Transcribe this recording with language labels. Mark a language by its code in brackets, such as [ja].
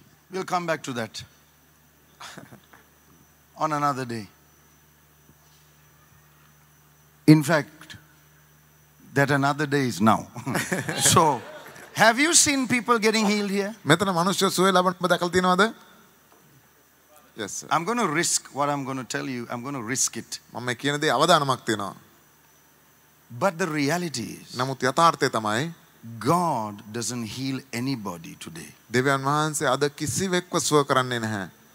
[en] We'll come back to that on another day. In fact, that another day is now. So, have you seen people getting healed here? [si] මෙතන මිනිස්සු සුවය ලබනවා දැකලා තියෙනවද? [en] Yes sir. I'm going to risk what I'm going to tell you. I'm going to risk it. [si] මම කියන දේ අවදානමක් තියෙනවා. [en] But the reality is. [si] නමුත් යථාර්ථය තමයි. [en] God doesn't heal anybody today. [si] දෙවියන් වහන්සේ අද කිසිවෙක්ව සුව කරන්නේ නැහැ.